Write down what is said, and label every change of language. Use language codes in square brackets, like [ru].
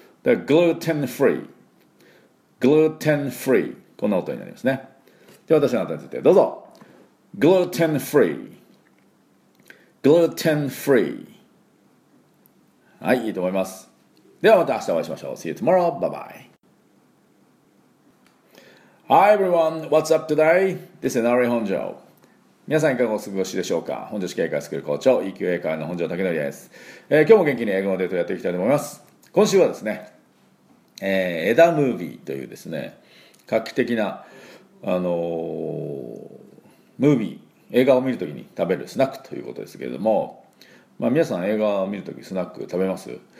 [ja] で、グルーテンフリー。グルーテンフリー。こんな音になりますね。で、私の後についてどうぞ。グルーテンフリー。グルーテンフリー。はい、いいと思います。ではまた明日お会いしましょう。 [en] See you tomorrow. Bye bye. Hi everyone, what's up today? This is Nari Honjo. [ja] 皆さんいかがお過ごしでしょうか。本庄市経営スクール校長 EQ 英会話の本庄武典です。今日も元気に英語のデートをやっていきたいと思います。今週はですね、エダムービーというですね、画期的なムービー、映画を見るときに食べるスナックということですけれども、皆さん映画を見るときスナック食べます？